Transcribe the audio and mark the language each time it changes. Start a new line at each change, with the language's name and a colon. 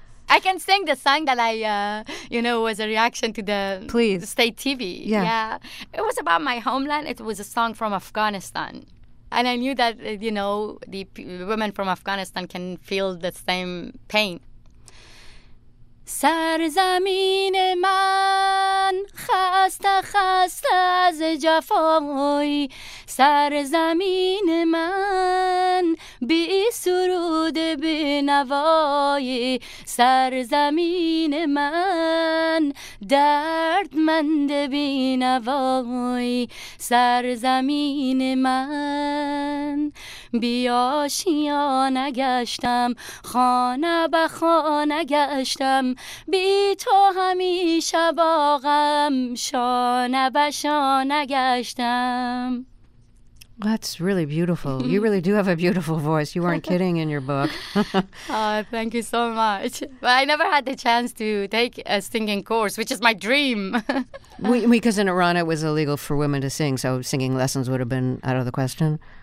English: I can sing the song that I, you know, was a reaction to the Please. State TV. Yeah. Yeah. It was about my homeland. It was a song from Afghanistan. And I knew that, you know, the women from Afghanistan can feel the same pain.
Persian: سرزمین من خسته خسته از جفای سرزمین من بی سرود بی نوای سرزمین من دردمند بی نوای سرزمین من بی آشیان گشتم خانه به خانه گشتم بی تو همیشه باغم شانه به شانه گشتم.
English: That's really beautiful. You really do have a beautiful voice. You weren't kidding in your book. Thank you so much. But I never had the chance to take a singing course, which is my dream. Because in Iran it was illegal for women to sing, so singing lessons would have been out of the question.